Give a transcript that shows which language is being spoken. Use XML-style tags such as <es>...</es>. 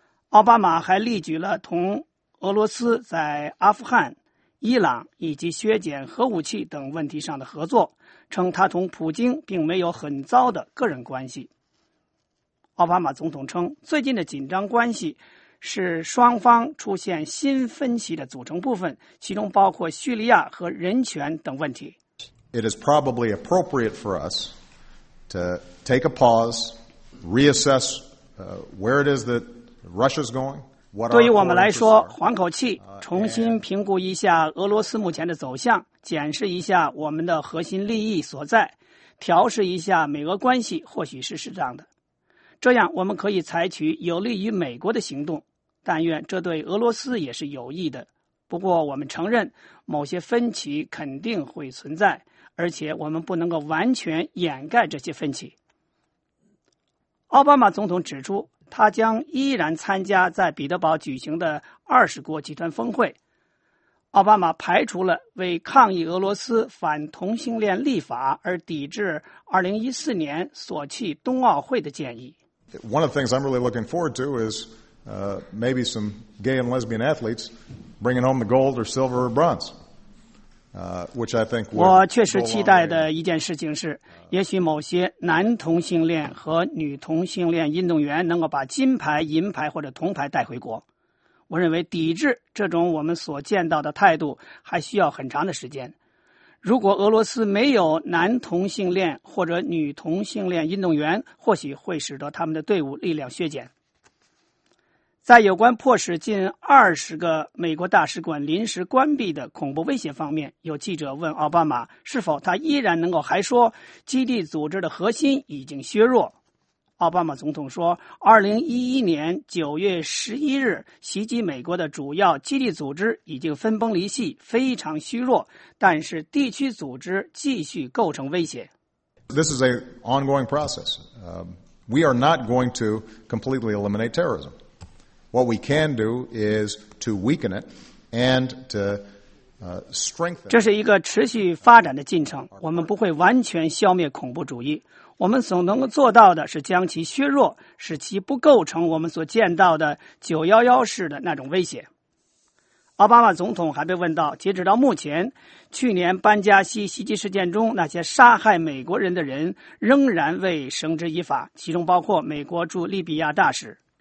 <zh>奥巴马还列举了同俄罗斯在阿富汗、伊朗以及削减核武器等问题上的合作，称他同普京并没有很糟的个人关系。奥巴马总统称，最近的紧张关系是双方出现新分歧的组成部分，其中包括叙利亚和人权等问题。</zh> <en>It is probably appropriate for us to take a pause, reassess where it is that Russia's going.</en> <zh>对于我们来说，缓口气，重新评估一下俄罗斯目前的走向，检视一下我们的核心利益所在，调试一下美俄关系，或许是适当的。这样我们可以采取有利于美国的行动，但愿这对俄罗斯也是有益的。不过我们承认某些分歧肯定会存在，而且我们不能够完全掩盖这些分歧。奥巴马总统指出，他将依然参加在彼得堡举行的20国集团峰会。奥巴马排除了为抗议俄罗斯反同性恋立法而抵制2014年索契冬奥会的建议。</zh> <en>One of the things I'm really looking forward to is maybe some gay and lesbian athletes bringing home the gold or silver or bronze, which I think would.</en> <zh>我确实期待的一件事情是，也许某些男同性恋和女同性恋运动员能够把金牌、银牌或者铜牌带回国。我认为抵制这种我们所见到的态度还需要很长的时间。如果俄罗斯没有男同性恋或者女同性恋运动员，或许会使得他们的队伍力量削减。在有关迫使近20个美国大使馆临时关闭的恐怖威胁方面，有记者问奥巴马是否他依然能够还说基地组织的核心已经削弱。奥巴马总统说，2011年9月11日袭击美国的主要基地组织已经分崩离析，非常虚弱，但是地区组织继续构成威胁。</zh> <en>This is an ongoing process. We are not going to completely eliminate terrorism. What we can do is to weaken it and to strengthen.</en> <zh>这是一个持续发展的进程，我们不会完全消灭恐怖主义。我们所能够做到的是将其削弱，使其不构成我们所见到的911式的那种威胁。奥巴马总统还被问到，截止到目前，去年班加西袭击事件中那些杀害美国人的人仍然未绳之以法，其中包括美国驻利比亚大使。</zh>